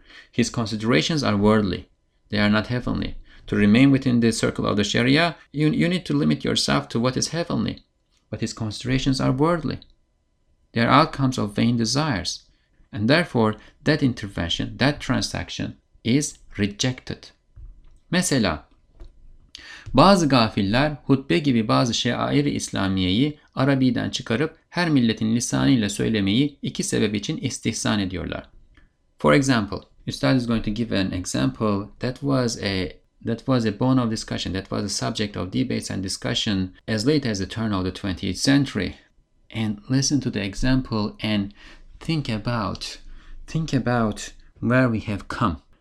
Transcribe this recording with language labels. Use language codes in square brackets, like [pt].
[en] His considerations are worldly. They are not heavenly. To remain within the circle of the Sharia, you need to limit yourself to what is heavenly. But his considerations are worldly. They are outcomes of vain desires. And therefore, that intervention, that transaction is rejected. [tr] Mesela, bazı gafiller hutbe gibi bazı şeair-i İslamiye'yi Arabi'den çıkarıp her milletin lisanıyla söylemeyi iki sebep için istihsan ediyorlar. [en] For example, Üstad is going to give an example that was a bone of discussion, that was a subject of debates and discussion as late as the turn of the 20th century. And listen to the example and think about where we have come.